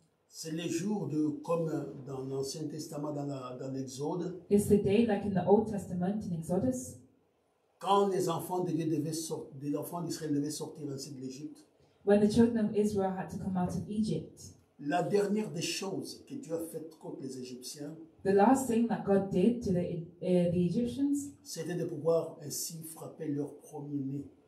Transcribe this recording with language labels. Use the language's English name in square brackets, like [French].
[French] C'est les jours de comme dans l'Ancien Testament dans la dans l'Exode. [English] It's the day like in the Old Testament in Exodus. [French] Quand les enfants devaient sortir, les enfants d'Israël devaient sortir ainsi de l'Égypte. [English] When the children of Israel had to come out of Egypt. [French] La dernière des choses que Dieu a faites contre les Égyptiens. [English] The last thing that God did to the Egyptians. [French] C'était de pouvoir ainsi frapper leur premier-né.